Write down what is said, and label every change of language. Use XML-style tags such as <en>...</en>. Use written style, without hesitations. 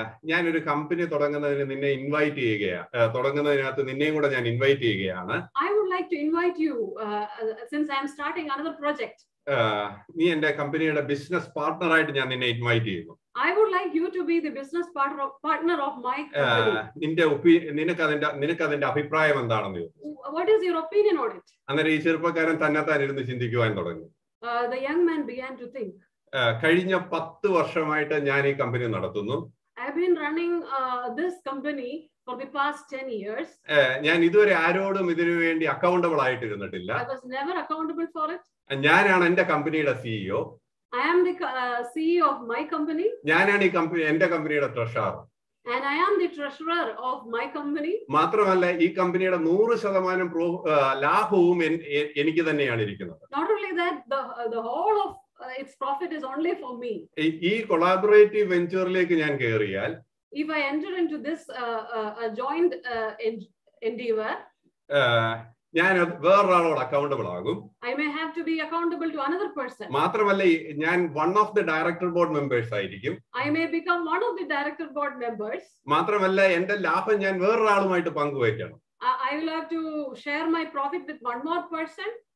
<ml>ഞാനൊരു കമ്പനി തുടങ്ങുന്നതിന് നിന്നെ ഇൻവൈറ്റ് ചെയ്യുകയാണ്, തുടങ്ങുന്നതിനകത്ത് നിന്നെയും കൂടെ ഞാൻ ഇൻവൈറ്റ് ചെയ്യുകയാണ്.</ml> <en>I would like to invite you since I am starting another project.</en> <ml>നീ എന്റെ കമ്പനിയുടെ ബിസിനസ് പാർട്ണർ ആയിട്ട് ഞാൻ നിന്നെ ഇൻവൈറ്റ് ചെയ്യുന്നു.</ml> <en>I would like you to be the business partner of my company.</en> <ml>നിന്റെ ഒപ്പി നിനക്കതിന്റെ അഭിപ്രായം എന്താണെന്ന്?</ml> <en>What is your opinion on it?</en> <ml>അന്നേരം ഈ ചെറുപ്പക്കാരൻ തന്നെത്താൻ ഇരുന്ന് ചിന്തിക്കുവാൻ തുടങ്ങി.</ml> <en>The young man began to think.</en> <ml>കഴിഞ്ഞ 10 വർഷമായിട്ട് ഞാൻ ഈ കമ്പനി നടത്തുന്നു.</ml> <en>I have been running this company for the past 10 years.</en> <ml>ഞാൻ ഇതുവരെ ആരോടും ഇതിനു വേണ്ടി accountable ആയിട്ടിരുന്നിട്ടില്ല.</ml> <en>I was never accountable for it.</en> <ml>ഞാനാണ് എന്റെ കമ്പനിയുടെ CEO.</ml> <en>I am the CEO of my company.</en> <ml>ഞാനാണ് ഈ കമ്പനി എന്റെ കമ്പനിയുടെ treasurer.</ml> <en>And I am the treasurer of my company.</en> <ml>മാത്രമല്ല ഈ കമ്പനിയുടെ 100% ലാഭവും എനിക്ക് തന്നെയാണ് ഇരിക്കുന്നത്.</ml> <en>Not only that, the whole of its profit is only for me.</en> <ml>ഈ കൊളാബറേറ്റീവ് വെഞ്ചറിലേക്ക് ഞാൻ കേറിയാൽ,</ml> <en>if I enter into this joint endeavor,</en> <ml>ഞാൻ വേറൊരാളോട് അക്കൗണ്ടബിൾ ആകും.</ml> <en>I may have to be accountable to another person.</en> <ml>മാത്രമല്ല ഞാൻ</ml> <en>one of the director board members</en> <ml>ആയിരിക്കും.</ml> <en>I may become one of the director board members.</en> <ml>മാത്രമല്ല എന്റെ ലാഭം ഞാൻ വേറൊരാളുമായിട്ട് പങ്കുവയ്ക്കണം.</ml> <en>I will have to share my profit with one more person.</en>